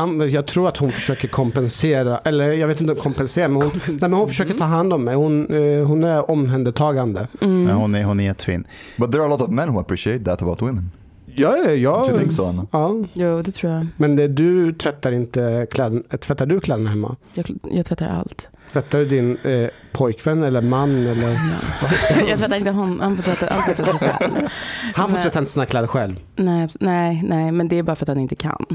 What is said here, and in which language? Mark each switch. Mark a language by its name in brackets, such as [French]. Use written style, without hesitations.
[Swedish] Jag tror att hon försöker kompensera. Eller jag vet inte om kompensera. Men hon försöker ta hand om mig. Hon är omhändertagande. Mm. Men hon är jättefin. [English] But there are a lot of men who appreciate that about women. [Swedish] Ja. [English] Do you think so, Anna? [Swedish] Ja. Jo, det tror jag. Men du tvättar inte kläder. Tvättar du kläderna hemma? Jag tvättar allt. Tvättar du din pojkvän eller man? Eller? Ja. Jag tvättar inte han får tvätta sina kläder. Han får tvätta sina kläder själv? Nej, men det är bara för att han inte kan.